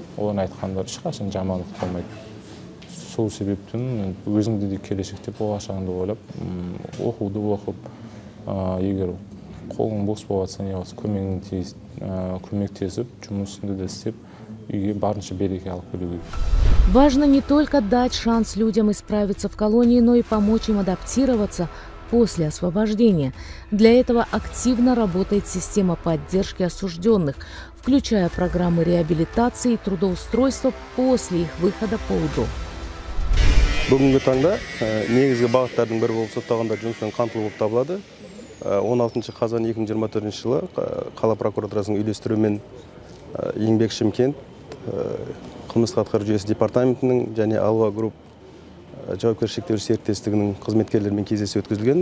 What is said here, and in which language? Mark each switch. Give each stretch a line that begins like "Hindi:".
Kazakh: Олардың айтқандары ешқашан жамандық болмайды. Сол себептен өзімді де келешекте болашағыңды ойлап, оқуды оқып, егер қолың бос болатса, не болса, көмектесіп, жұмысыңды да істеп, үйге барынша береке алып келуге.
Russian: Важно не только дать шанс людям исправиться в колонии, но и помочь им адаптироваться после освобождения. Для этого активно работает система поддержки осужденных, включая программы реабилитации и трудоустройства после их выхода по УДО.
Kazakh: Бүгінгі таңда негізгі бағыттардың бірі болып сотталғандар жұмыспен қамтылу болып табылады. 16 қазан 2024 жылы қала прокуратурасының үйлестіруімен Еңбек Шымкент қылмыстық атқару жүйесі департаментінің және Алуа Групп жауапкершілікті серіктестігінің қызметкерлерімен кездесу өткізілген.